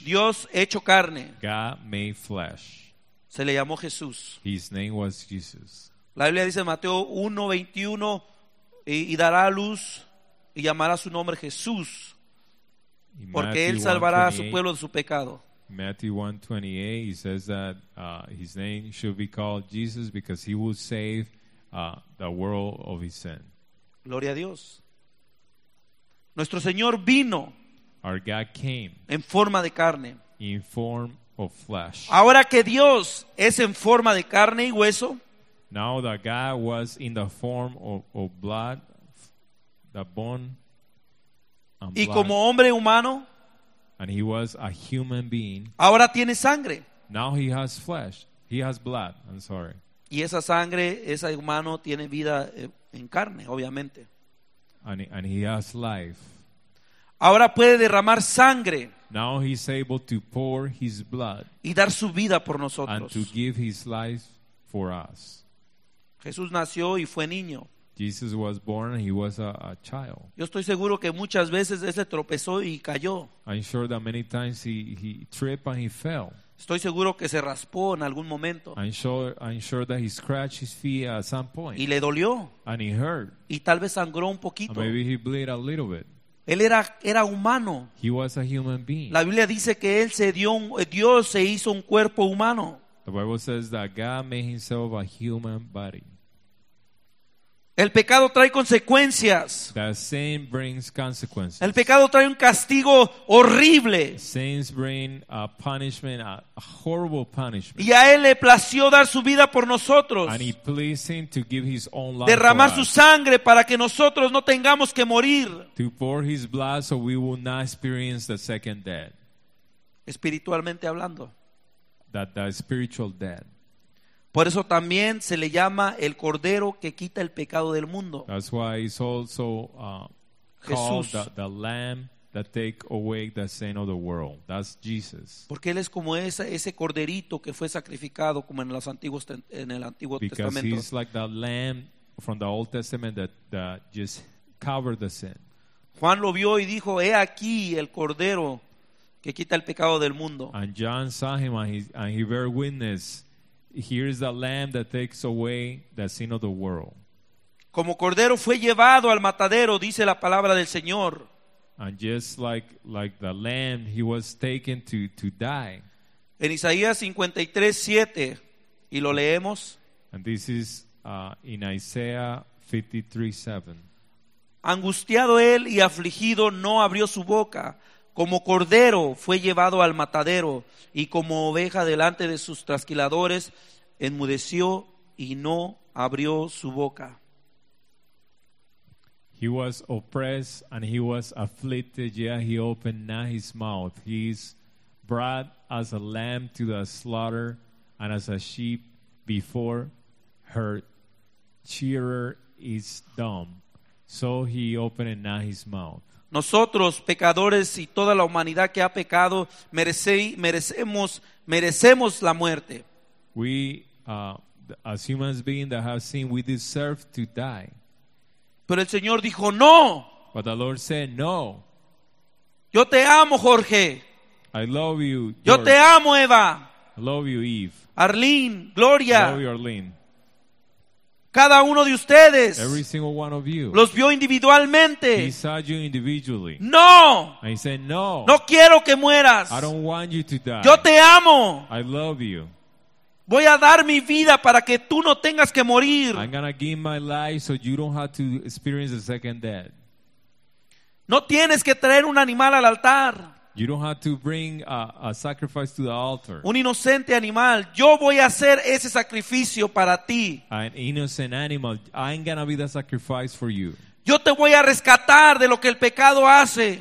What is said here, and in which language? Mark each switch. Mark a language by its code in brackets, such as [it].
[es] Dios hecho carne. [en] God made flesh. [es] Se le llamó Jesús. [en] His name was Jesus. [es] La Biblia dice en Mateo 1:21 y dará a luz y llamará su nombre Jesús. Porque él salvará a su pueblo de su pecado. [en] Matthew 1:28, he says that his name should be called Jesus because he will save the world of his sin. [es] Gloria a Dios. Nuestro Señor vino. [en] Our God came. [es] En forma de carne. [en] In form of flesh. [es] Ahora que Dios es en forma de carne y hueso. [en] Now that God was in the form of blood, the bone and blood. [es] Y como hombre humano. [en] And he was a human being. [es] Ahora tiene sangre. [en] Now he has flesh. He has blood. I'm sorry. [es] Y esa sangre, ese humano tiene vida en carne, obviamente. [en] And he has life. [es] Ahora puede derramar sangre. [en] Now he's able to pour his blood. [es] Y dar su vida por nosotros. [en] And to give his life for us. [es] Jesús nació y fue niño. [en] Jesus was born and he was a child. [es] Yo estoy seguro que muchas veces él se tropezó y cayó. [en] I'm sure that many times he tripped and he fell. [es] Estoy seguro que se raspó en algún momento. [en] I'm sure that he scratched his feet at some point. [es] Y le dolió. [en] And he hurt. [es] Y tal vez sangró un poquito. [en] And maybe he bled a little bit. [es] Él era humano. [en] He was a human being. [es] La Biblia dice que él se dio Dios se hizo un cuerpo humano. [en] The Bible says that God made himself a human body. [es] El pecado trae consecuencias. [en] The sin brings consequences. [es] El pecado trae un castigo horrible. [en] Sins bring a punishment, a horrible punishment. [es] Y a él le plació dar su vida por nosotros. [en] And he pleased him to give his own life. [es] Derramar [en] for [es] su [en] us. [es] Sangre para que nosotros no tengamos que morir. [en] To pour his blood so we will not experience the second death. [es] Espiritualmente hablando. [en] That spiritual death. [es] Por eso también se le llama el Cordero que quita el pecado del mundo. [en] That's why it's also called the Lamb that take away the sin of the world. That's Jesus. [es] Porque él es como ese corderito que fue sacrificado como en los antiguos en el Antiguo [en] Because [es] Testamento. [en] Because he's like the Lamb from the Old Testament that just covered the sin. [es] Juan lo vio y dijo, he aquí el Cordero que quita el pecado del mundo. [en] And John saw him and he bear witness. Here is the lamb that takes away the sin of the world. [es] Como cordero fue llevado al matadero, dice la palabra del Señor. [en] And just like the lamb, he was taken to die. [es] En Isaías 53:7, y lo leemos. [en] And this is in Isaiah 53:7. [es] Angustiado él y afligido no abrió su boca. Como cordero fue llevado al matadero y como oveja delante de sus trasquiladores enmudeció y no abrió su boca. [en] He was oppressed and he was afflicted, yet he opened not his mouth. He is brought as a lamb to the slaughter and as a sheep before her shearer is dumb. So he opened not his mouth. [es] Nosotros, pecadores y toda la humanidad que ha pecado, merecemos la muerte. [en] We, as human beings that have sinned, we deserve to die. [es] Pero el Señor dijo, no. [en] But the Lord said, no. [es] Yo te amo, Jorge. [en] I love you, George. [es] Yo te amo, Eva. [en] I love you, Eve. [es] Arlene, Gloria. [en] I love you, Arlene. [es] Cada uno de ustedes. [en] Every single one of you. [es] Los vio individualmente. [en] He saw you individually. [es] No. [en] And he said no. [es] No quiero que mueras. [en] I don't want you to die. [es] Yo te amo. [en] I love you. [es] Voy a dar mi vida para que tú no tengas que morir. [en] I'm gonna give my life so you don't have to experience a second death. [es] No tienes que traer un animal al altar. [en] You don't have to bring a sacrifice to the altar. [es] Un inocente animal. Yo voy a hacer ese sacrificio para ti. [en] An innocent animal. I'm gonna be the sacrifice for you. [es] Yo te voy a rescatar de lo que el pecado hace.